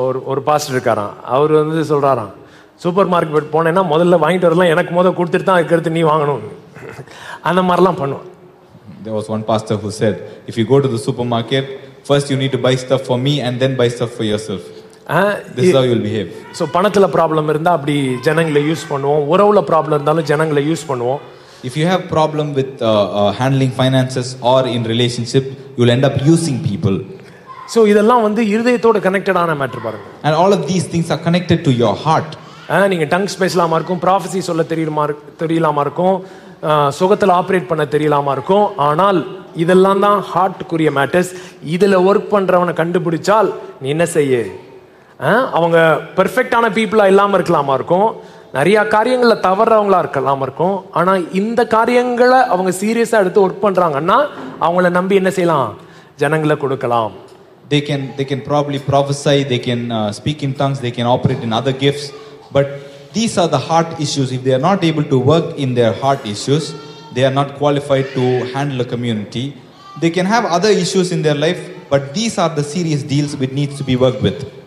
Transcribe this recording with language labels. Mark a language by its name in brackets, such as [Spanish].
[Tamil] ஒரு பாஸ்டர் இருக்காராம், அவர் வந்து சொல்றாராம், சூப்பர் மார்க்கெட் போனேன்னா முதல்ல வாங்கிட்டு வரலாம், எனக்கு முதல்ல கொடுத்துட்டு தான் அதுக்கு நீ வாங்கணும், அந்த மாதிரிலாம் பண்ணுவான். [English] There was one pastor who said, if you go to the supermarket, first you need to buy stuff for me and then buy stuff for yourself. This is how you will behave. [Tamil] So பணத்துல problem இருந்தா அப்படி ஜனங்களை use பண்ணுவோம், உறவுல problem இருந்தாலும் ஜனங்களை use பண்ணுவோம். [English] If you have problem with handling finances or in relationship, you will end up using people. [Tamil] So இதெல்லாம் வந்து இதயத்தோட கனெக்டட் ஆன மேட்டர் பாருங்க. [English] And all of these things are connected to your heart. [Tamil] நீங்க tongues பேசலாமா இருக்கும், prophecy சொல்ல தெரியலாமா இருக்கும், சுகத்துல operate பண்ண தெரியலாமா இருக்கும், ஆனால் இதெல்லாம் தான் ஹார்ட்டுக்குரிய மேட்டர்ஸ். இதுல ஒர்க் பண்றவனை கண்டுபிடிச்சால் நீ என்ன செய்ய, அவங்க பெர்ஃபெக்டான பீப்புளா இல்லாம இருக்கலாமா இருக்கும், நிறைய காரியங்கள்ல தவறவங்களா இருக்கலாம இருக்கும், ஆனா இந்த காரியங்களை அவங்க சீரியஸா எடுத்து ஒர்க் பண்றாங்கன்னா அவங்கள நம்பி என்ன செய்யலாம், ஜனங்களை கொடுக்கலாம். [English] They can probably prophesy, they can speak in tongues, they can operate in other gifts, but these are the heart issues. If they are not able to work in their heart issues, they are not qualified to handle a community. They can have other issues in their life, but these are the serious deals which needs to be worked with.